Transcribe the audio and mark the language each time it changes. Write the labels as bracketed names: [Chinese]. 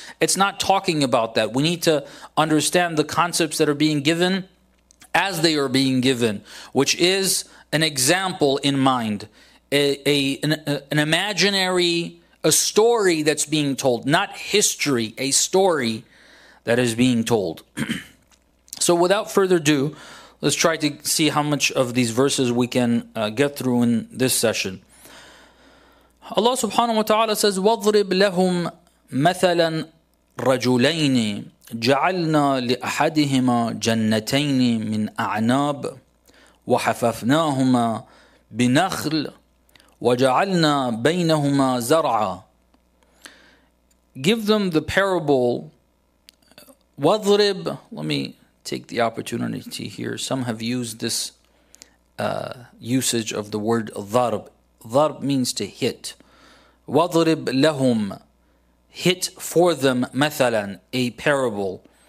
[English] It's not talking about that. We need to understand the concepts that are being given as they are being given, which is an example in mind, an imaginary, a story that's being told, not history, a story that is being told. So without further ado, let's try to see how much of these verses we can get through in this session. Allah subhanahu wa ta'ala says, [Arabic] وَضْرِبْ لَهُمْ مَثَلًا رَجُلَيْنِ جَعَلْنَا لِأَحَدِهِمَا جَنَّتَيْنِ مِنْ أَعْنَابٍ وَحَفَفْنَاهُمَا بِنَخْلٍ وَجَعَلْنَا بَيْنَهُمَا زَرْعًا. [English] Give them the parable. وَضْرِبْ, let me take the opportunity here. Some have used this usage of the word ضرب. ضرب means to hit. [Arabic] وَضْرِبْ لَهُمْ, [English] hit for them, مثلاً, a parable.